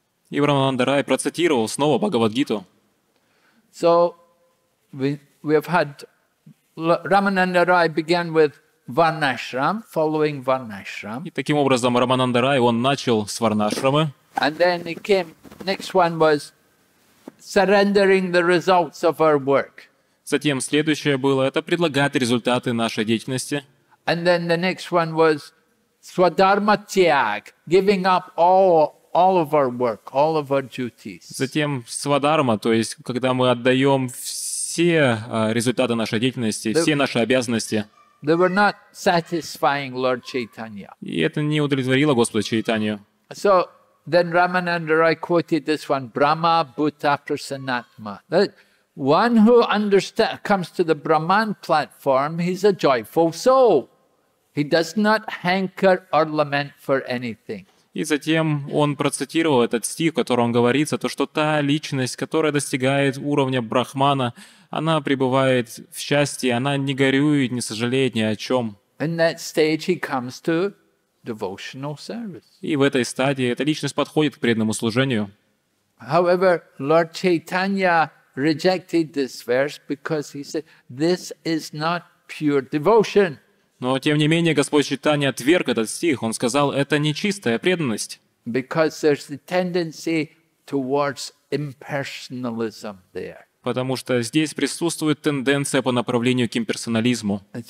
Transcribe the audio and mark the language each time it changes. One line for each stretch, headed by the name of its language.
Russian: И Рамананда Рай процитировал снова Бхагавад Гиту.
English: So we have had Ramananda Rai began with Varnashram, following Varnashram.
Russian: И таким образом Рамананда Рай он начал с Варнашрама.
English: And then he came. Next one was surrendering the results of our work.
Russian: Затем следующее было это предлагать результаты нашей деятельности.
English: And then the next one was Swadharma Tyag, giving up all of our work, all of our duties.
Russian: Затем свадхарма, то есть когда мы отдаем все результаты нашей деятельности, все наши обязанности.
English: They were not satisfying Lord Chaitanya.
Russian: И это не удовлетворило Господа Чайтанью.
English: So then Ramananda Rai quoted this one,
Sanskrit: Brahma Bhuta Prasannatma.
English: One who comes to the Brahman platform, he's a joyful soul. He does not hanker or lament for anything.
Russian: И затем он процитировал этот стих, в котором говорится, то, что та личность, которая достигает уровня Брахмана, она пребывает в счастье, она не горюет, не сожалеет ни о чем.
English: In that stage he comes to devotional service.
Russian: И в этой стадии эта личность подходит к преданному служению.
English: However, Lord Chaitanya rejected this verse because he said, this is not pure devotion.
Russian: Но, тем не менее, Господь Чайтанья отверг этот стих. Он сказал, это не чистая преданность. Потому что здесь присутствует тенденция по направлению к имперсонализму.